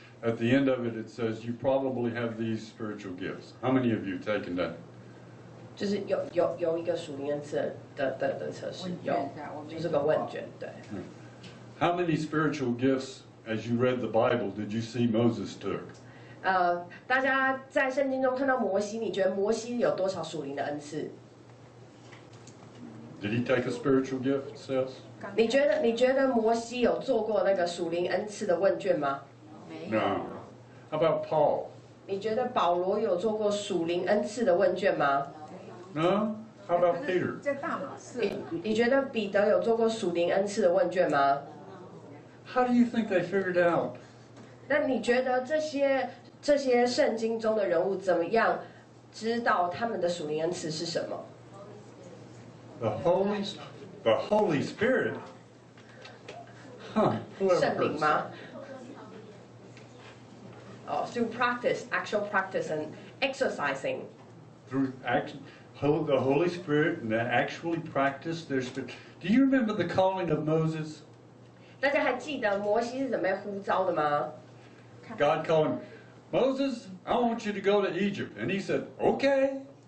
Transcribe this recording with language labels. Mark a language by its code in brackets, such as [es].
[en] At the end of it, it says you probably have these spiritual gifts. How many of you have taken that? [zh] 就是有一个属灵恩赐的测试，有就是个问卷，对。 [en] How many spiritual gifts, as you read the Bible, did you see Moses took? [zh] 大家在圣经中看到摩西，你觉得摩西有多少属灵的恩赐 [en] ？Did he take a spiritual gift test? [zh] 你觉得摩西有做过那个属灵恩赐的问卷吗 [en] ？No. How about Paul? [zh] 你觉得保罗有做过属灵恩赐的问卷吗？ [en] No? How about Peter? [zh] 你觉得彼得有做过属灵恩赐的问卷吗 [en] ？How do you think they figured out? [zh] 那你觉得这些圣经中的人物怎么样知道他们的属灵恩赐是什么 [en] ？The Holy Spirit. Huh? [zh] 圣灵吗？ [en] through practice, actual practice and exercising. Through action. The Holy Spirit and they actually practice their spirit. Do you remember the calling of Moses? [zh] 大家还记得摩西是怎么呼召的吗 [en] ？God called him, Moses. I want you to go to Egypt, and he said, "Okay."